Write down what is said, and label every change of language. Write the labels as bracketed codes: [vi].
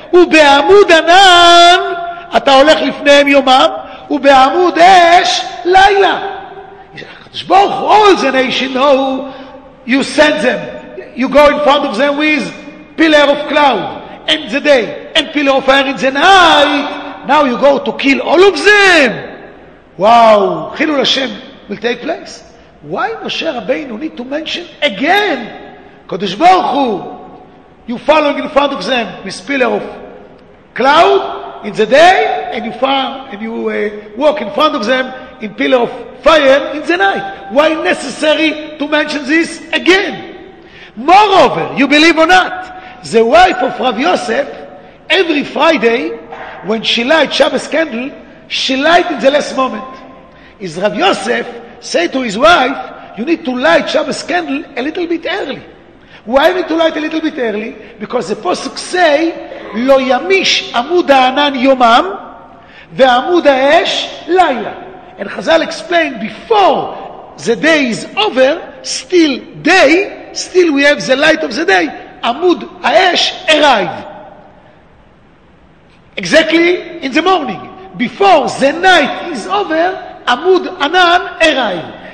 [he] ובעמוד ענן אתה הולך לפניהם יומם ובעמוד אש לילה. [en] שבורך, all the nation know you send them, you go in front of them with pillar of cloud in the day and pillar of fire in the night. Now you go to kill all of them. Wow, חילול השם will take place. Why משה רבינו need to mention again קדוש ברוך הוא, you following in front of them with pillar of cloud in the day, and you walk in front of them in pillar of fire in the night. Why necessary to mention this again? Moreover, you believe or not, the wife of Rav Yosef, every Friday, when she light Shabbos candle, she light in the last moment. Is Rav Yosef say to his wife, you need to light Shabbos candle a little bit early. Why need to light a little bit early? Because the pasuk say, [he] לא ימיש עמוד הענן יומם ועמוד האש לילה. [en] And Chazal explained, before the day is over, still day, still we have the light of the day, עמוד האש arrive. Exactly in the morning. Before the night is over, עמוד ענן arrive.